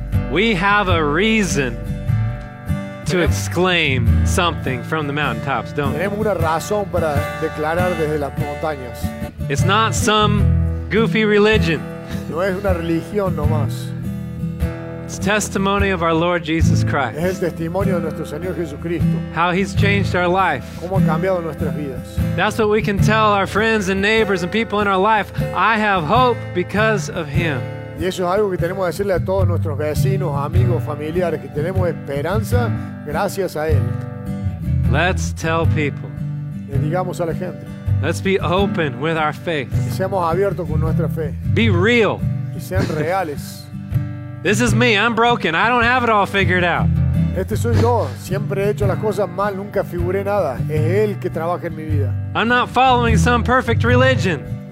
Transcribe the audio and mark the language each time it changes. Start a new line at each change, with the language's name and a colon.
English: We have a reason to exclaim something from the mountaintops, don't we?
Spanish: Una razón para declarar desde las montañas.
English: It's not some goofy religion.
Spanish: No es una religión nomás.
English: It's testimony of our Lord Jesus Christ.
Spanish: Es el testimonio de nuestro Señor Jesucristo.
English: How he's changed our life.
Spanish: Cómo ha cambiado nuestras vidas.
English: That's what we can tell our friends and neighbors and people in our life. I have hope because of him.
Spanish: Y eso es algo que tenemos que decirle a todos nuestros vecinos, amigos, familiares, que tenemos esperanza gracias a Él.
English: Let's tell people.
Spanish: Le digamos a la gente.
English: Let's be open with our faith.
Spanish: Y seamos abiertos con nuestra fe.
English: Be real.
Spanish: Y sean reales.
English: This is me, I'm broken, I don't have it all figured out.
Spanish: Este soy yo, siempre he hecho las cosas mal, nunca figuré nada. Es Él que trabaja en mi vida.
English: I'm not following some perfect religion.